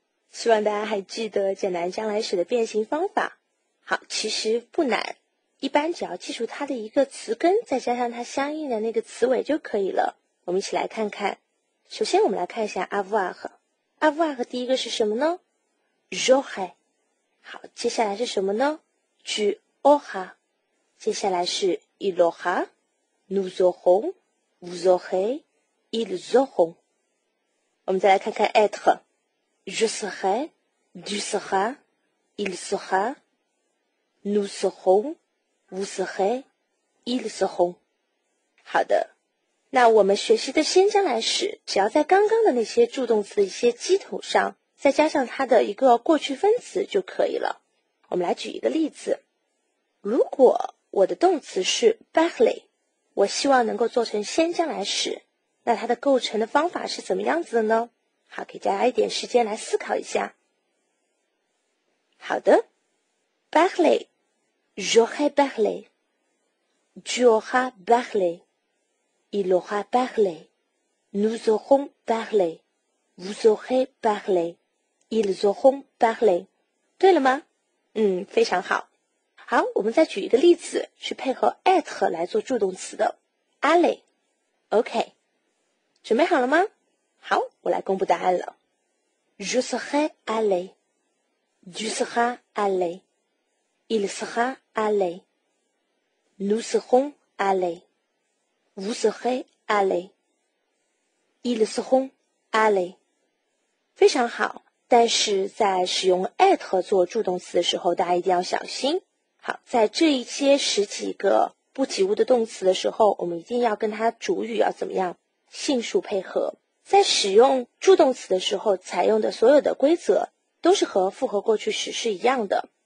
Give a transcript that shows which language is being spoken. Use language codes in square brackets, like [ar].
[zh] 希望大家还记得简单将来时的变形方法。好，其实不难，一般只要记住它的一个词根，再加上它相应的那个词尾就可以了。我们一起来看看。首先我们来看一下 avoir， avoir 第一个是什么呢？ [fr] j'aurai。 [zh] 好，接下来是什么呢？ [fr] tu auras。 [zh] 接下来是 [fr] Il aura, nous aurons, vous aurez, ils auront. [zh] 我们再来看看 être. [fr] Je serai, tu seras, il sera, nous serons, vous serez, ils seront. [zh] 好的，那我们学习的先将来时，只要在刚刚的那些助动词的一些基础上，再加上它的一个过去分词就可以了。我们来举一个例子，如果我的动词是 parler， 我希望能够做成先将来时，那它的构成的方法是怎么样子的呢？好，给大家一点时间来思考一下。好的， [fr] parler， j'aurai parlé， tu auras parlé， il aura parlé， nous aurons parlé， vous aurez parlé， ils auront parlé， [zh] 对了吗？嗯，非常好。好，我们再举一个例子，去配合 at 来做助动词的 aller，OK， 准备好了吗？好，我来公布答案了。 [fr] Je serai allé, tu seras allé, il sera allé, nous serons allé, vous serez allé, ils seront allé。 [zh] 非常好，但是在使用 at 做助动词的时候，大家一定要小心。好，在这一些十几个不及物的动词的时候，我们一定要跟它主语要怎么样性数配合，在使用助动词的时候采用的所有的规则都是和复合过去时是一样的。